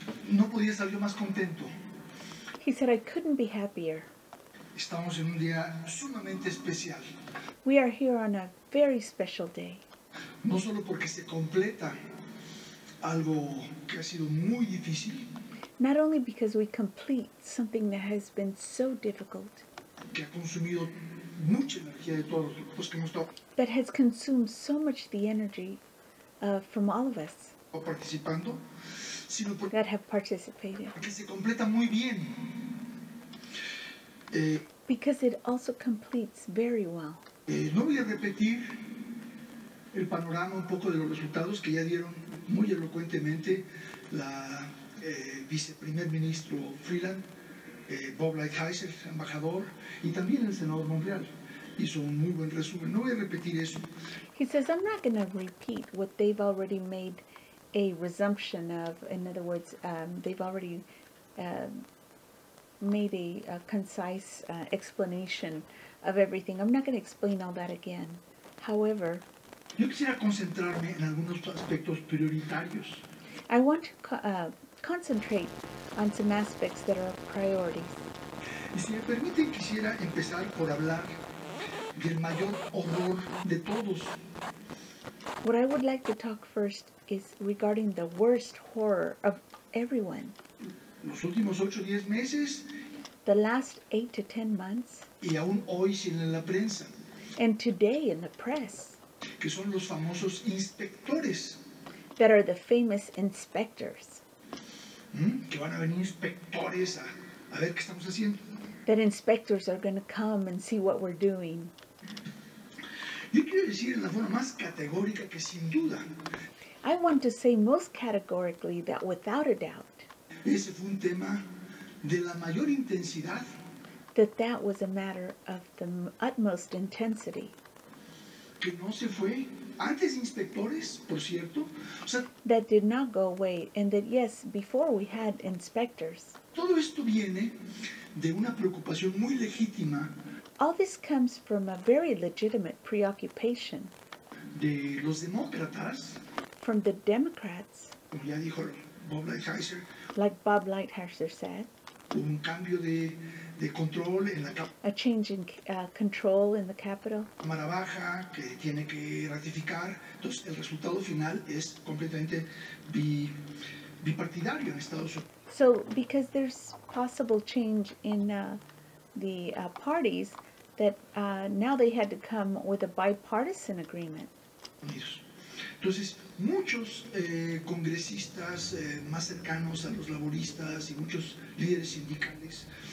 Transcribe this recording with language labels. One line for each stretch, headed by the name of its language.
Spanish: No podía estar yo más contento.
English: He said, I couldn't be happier.
Spanish: Estamos en un día sumamente especial.
English: We are here on a very special day.
Spanish: No solo porque se completa algo que ha sido muy difícil.
English: Not only because we complete something that has been so difficult.
Spanish: Que ha consumido mucha energía de todos los que hemos estado.
English: That has consumed so much the energy from all of us.
Spanish: O participando. Sino
English: that have participated.
Spanish: Porque se completa muy bien.
English: Because it also completes very well.
Spanish: No voy a repetir el panorama un poco de los resultados que ya dieron muy elocuentemente la viceprimer ministro Freeland, Bob Lighthizer, embajador, y también el senador Monreal. Hizo un muy buen resumen. No voy a repetir eso.
English: He says, I'm not going to repeat what they've already made a resumption of, in other words, they've already made a concise explanation of everything. I'm not going to explain all that again. However,
Spanish: yo quisiera concentrarme en algunos aspectos prioritarios.
English: I want to concentrate on some aspects that are priorities.
Spanish: Y si me permiten, quisiera empezar por hablar del mayor horror de todos.
English: What I would like to talk first is regarding the worst horror of everyone.
Spanish: Los últimos 8 o 10 meses.
English: The last 8 to 10 months.
Spanish: Y aún hoy sin la prensa.
English: And today in the press.
Spanish: Que son los famosos inspectores.
English: That are the famous inspectors.
Spanish: Que van a venir inspectores a ver qué estamos haciendo.
English: That inspectors are going to come and see what we're doing.
Spanish: Yo quiero decir en la forma más categórica que sin duda.
English: I want to say most categorically that without a doubt,
Spanish: ese fue un tema de la mayor intensidad,
English: that was a matter of the utmost intensity.
Spanish: Que no se fue antes de inspectores, por cierto. O sea,
English: that did not go away, and that, yes, before we had inspectors.
Spanish: Todo esto viene de una preocupación muy legítima.
English: All this comes from a very legitimate preoccupation.
Spanish: De los demócratas.
English: From the Democrats.
Spanish: Como ya dijo Bob Lighthizer.
English: Like Bob Lighthizer said.
Spanish: Un cambio de control en la
English: a change in control in the Capitol.
Spanish: Cámara baja que tiene que ratificar. Entonces el resultado final es completamente bipartidario en Estados Unidos.
English: So because there's possible change in the parties, that now they had to come with a bipartisan agreement.
Spanish: Entonces, muchos congresistas más cercanos a los laboristas y muchos líderes sindicales.